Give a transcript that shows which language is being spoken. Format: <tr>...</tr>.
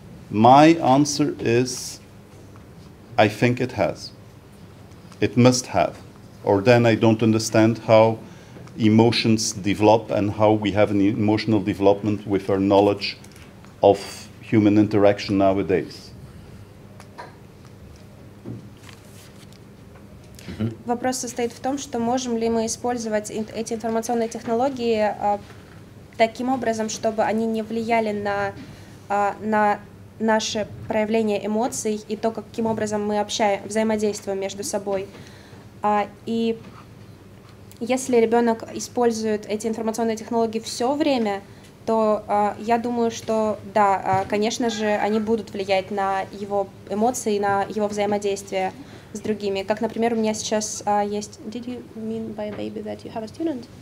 <en>My answer is, I think it has. It must have. Or then I don't understand how emotions develop and how we have an emotional development with our knowledge of human interaction nowadays.</en> <ru>Вопрос состоит в том, что можем ли мы использовать эти информационные технологии таким образом, чтобы они не влияли на наше проявление эмоций и то, каким образом мы взаимодействуем между собой. И если ребенок использует эти информационные технологии все время, то я думаю, что да, конечно же, они будут влиять на его эмоции, на его взаимодействие с другими. Как, например, у меня сейчас есть...</ru> <en>Did you mean by a baby that you have a student?</en>